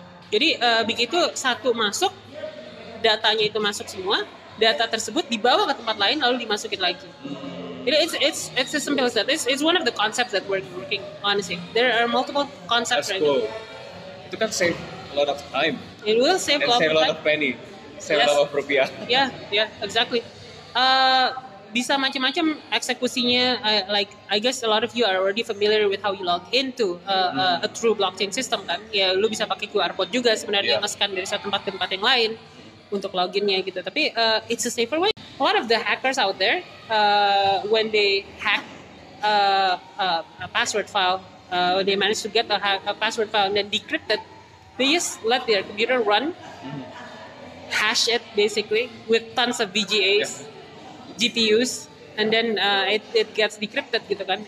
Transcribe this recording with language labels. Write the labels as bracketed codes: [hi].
[id] Jadi begitu satu masuk, datanya itu masuk semua, data tersebut dibawa ke tempat lain lalu dimasukin lagi. Jadi [en] it's as simple as that. It's one of the concepts that we're working on. There are multiple concepts. That's cool. Right. [id] Itu kan [en] save a lot of time. It will save a lot of time. Save a lot of penny. Save a lot of rupiah. Yeah, exactly. [id] Bisa macam-macam eksekusinya. [en] Like I guess a lot of you are already familiar with how you log into a true blockchain system [id] kan. Ya, lu bisa pakai QR code juga sebenarnya nge-scan dari satu tempat ke tempat yang lain untuk loginnya gitu. Tapi [en] it's a safer way. A lot of the hackers out there, when they hack a password file, when they manage to get a password file and then decrypted, they just let their computer run, hash it basically with tons of VGAs, GPUs, and then it gets decrypted [id] gitu kan.